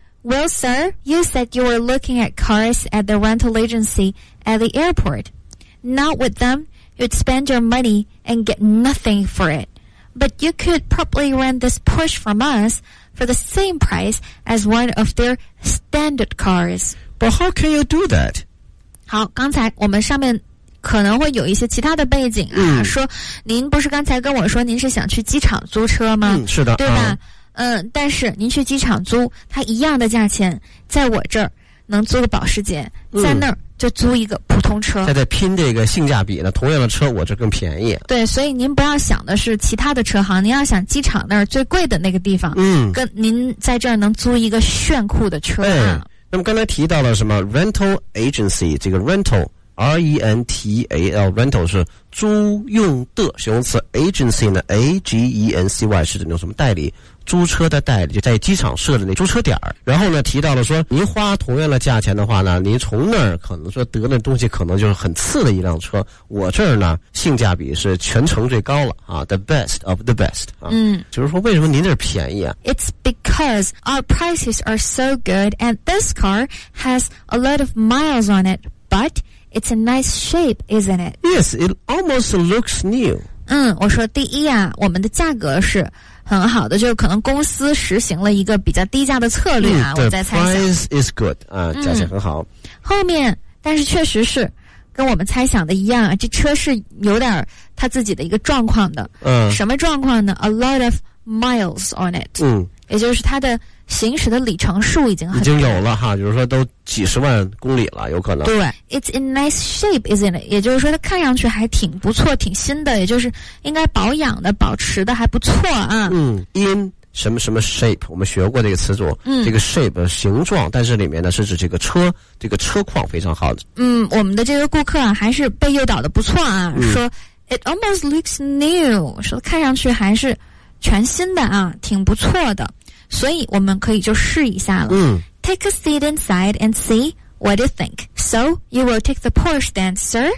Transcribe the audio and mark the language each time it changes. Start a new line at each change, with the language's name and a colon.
English: Well, sir, you said you were looking at cars at the rental agency at the airport. Not with them, you'd spend your money and get nothing for it. But you could probably rent this Porsche from us for the same price as one of their standard cars. But how can you do that?
Chinese: 好，刚才我们上面可能会有一些其他的背景啊、嗯、说您不是刚才跟我说您是想去机场租车吗、嗯、是的对吧、啊、嗯，但是您去机场租它一样的价钱在我这儿能租个保时捷、嗯、在那儿就租一个普通车，在拼这个性价比呢，同样的车我这更便宜，对，所以您不要想的是其他的车行，您要想机场那儿最贵的那个地方，嗯，跟您在这儿能租一个炫酷的车、啊哎、那么刚才提到了什么
English: rental agency，
Chinese: 这个 rental R-E-N-T-A-L rental 是租用的形容词， agency 呢 A-G-E-N-C-Y 是指那种什么代理，租车的代理，就在机场设的那租车点，然后呢提到了说您花同样的价钱的话呢，您从那儿可能说得的东西可能就是很次的一辆车，我这儿呢性价比是全城最高了啊，
English: the best of the best、
Chinese: 啊、嗯，就是说为什么您这便宜啊，
English: It's because our prices are so good and this car has a lot of miles on it butIt's a nice shape, isn't it? Yes, it almost looks new.
Chinese: 嗯，我说第一啊，我们的价格是很好的，就可能公司实行了一个比较低价的策略啊，嗯、我在猜想。
English: Price is good, 啊、
Chinese: 嗯，价钱很好。后面，但是确实是跟我们猜想的一样，这车是有点它自己的一个状况的。嗯。什么状况呢
English: ？A lot of miles on it.
Chinese: 嗯。也就是它的行驶的里程数已经很已经有了哈，就是说都几十万公里了，有可能。对 ，
English: It's in nice shape, isn't it?
Chinese: 也就是说，它看上去还挺不错，挺新的，也就是应该保养的、保持的还不错啊。嗯 ，in 什么什么 shape， 我们学过这个词组。嗯，这个 shape 形状，但是里面呢是指这个车，这个车况非常好的。嗯，我们的这个顾客、啊、还是被诱导的不错啊，嗯、说
English: It almost looks new，
Chinese: 说看上去还是全新的啊，挺不错的。所以我们可以就试一下了。嗯。
English: Take a seat inside and see what you think. So, you will take the Porsche then, sir?